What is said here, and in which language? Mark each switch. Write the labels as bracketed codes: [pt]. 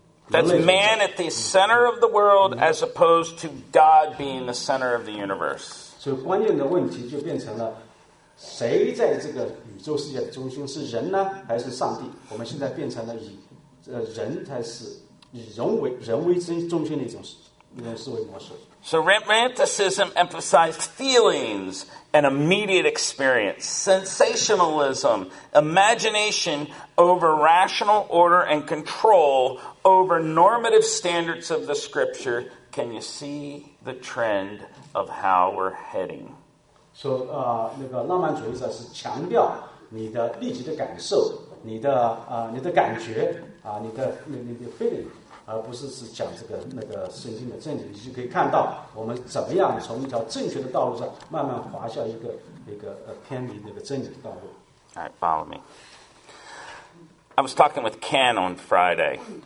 [en] That's man at the center of the world as opposed to God being the center of the universe. [zh] 所以关键的问题就变成了，谁在这个宇宙世界的中心，是人呢还是上帝？我们现在变成了以人才是以人为中心的一种思维模式。 [en] So romanticism emphasized feelings and immediate experience, sensationalism, imagination over rational order and control over normative standards of the scripture. Can you see the trend of how we're heading? [zh] So, 那个浪漫主义者是强调你的立即的感受，你的感觉，你的 feeling, 而不是只讲这个那个圣经的正经，你就可以看到我们怎么样从一条正确的道路上慢慢滑向一个偏离那个正经的道路。 [en] All right, follow me. I was talking with Ken on Friday.